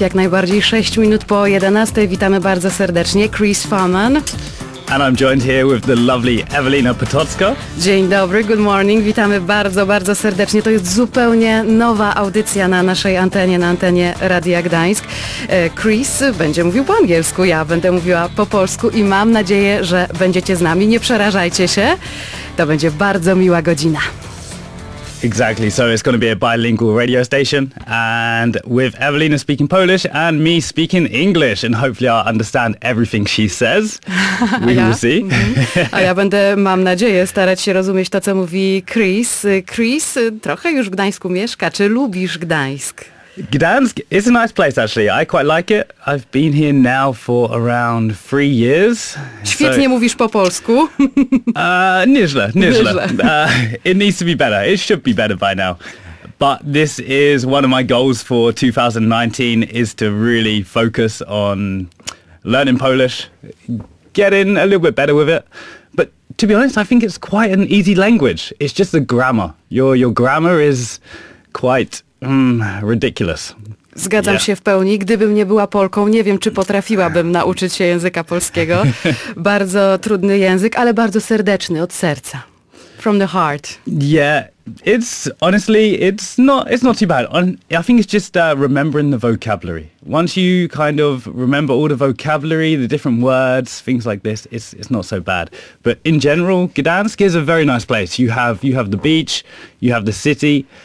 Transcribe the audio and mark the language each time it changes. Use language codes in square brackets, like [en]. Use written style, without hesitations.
[pl] Jak najbardziej 6 minut po 11. Witamy bardzo serdecznie. Chris Farman. [en] And I'm joined here with the lovely Ewelina Potocka. [pl] Dzień dobry, [en] good morning. [pl] Witamy bardzo, bardzo serdecznie. To jest zupełnie nowa audycja na naszej antenie, na antenie Radia Gdańsk. Chris będzie mówił po angielsku, ja będę mówiła po polsku i mam nadzieję, że będziecie z nami. Nie przerażajcie się. To będzie bardzo miła godzina. [en] Exactly, so it's going to be a bilingual radio station and with Ewelina speaking Polish and me speaking English and hopefully I'll understand everything she says. We will see. [pl] A ja będę, mam nadzieję, starać się rozumieć to, co mówi Chris. Chris, trochę już w Gdańsku mieszka. Czy lubisz Gdańsk? [en] Gdańsk is a nice place, actually. I quite like it. I've been here now for around 3 years. [pl] Świetnie mówisz po polsku. Nieźle. [en] It needs to be better. It should be better by now. But this is one of my goals for 2019, is to really focus on learning Polish, getting a little bit better with it. But to be honest, I think it's quite an easy language. It's just the grammar. Your grammar is quite... ridiculous. [pl] Zgadzam się w pełni. Gdybym nie była Polką, nie wiem, czy potrafiłabym nauczyć się języka polskiego. Bardzo trudny język, ale bardzo serdeczny, od serca. [en] From the heart. Yeah, it's honestly not too bad. I think it's just remembering the vocabulary. Once you kind of remember all the vocabulary, the different words, things like this, it's not so bad. But in general, Gdańsk is a very nice place. You have the beach, you have the city.